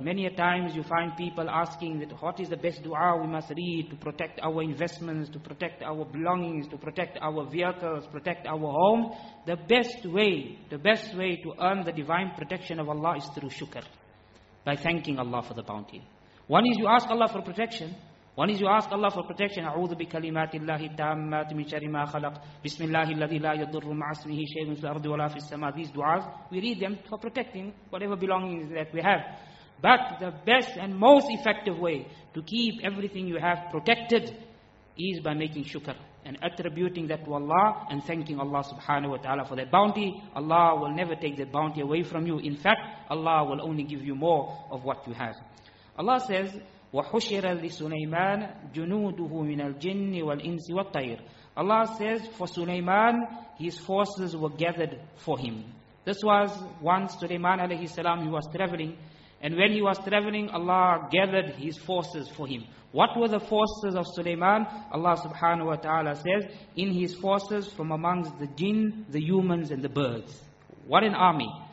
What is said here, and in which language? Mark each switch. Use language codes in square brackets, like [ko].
[en] Many a times you find people asking that what is the best dua we must read to protect our investments, to protect our belongings, to protect our vehicles, protect our home. The best way to earn the divine protection of Allah is through shukr, by thanking Allah for the bounty. One is you ask Allah for protection. [ar] أعوذ بكلمات الله التامات من شر ما خلق بسم الله الذي لا يضر مع اسمه شيء في الأرض ولا في السماء. [en] These du'as, we read them for protecting whatever belongings that we have. But the best and most effective way to keep everything you have protected is by making shukr and attributing that to Allah and thanking Allah subhanahu wa ta'ala for that bounty. Allah will never take that bounty away from you. In fact, Allah will only give you more of what you have. Allah says, [ar] وَحُشِرَ لِسُلَيْمَانَ جُنُودُهُ مِنَ الْجِنِّ وَالْإِنسِ وَالطَّيْرِ. [en] Allah says, for Sulaiman, his forces were gathered for him. This was once Sulaiman alayhi salam, he was traveling. And when he was traveling, Allah gathered his forces for him. What were the forces of Sulaiman? Allah subhanahu wa ta'ala says, in his forces from amongst the jinn, the humans and the birds. What an army.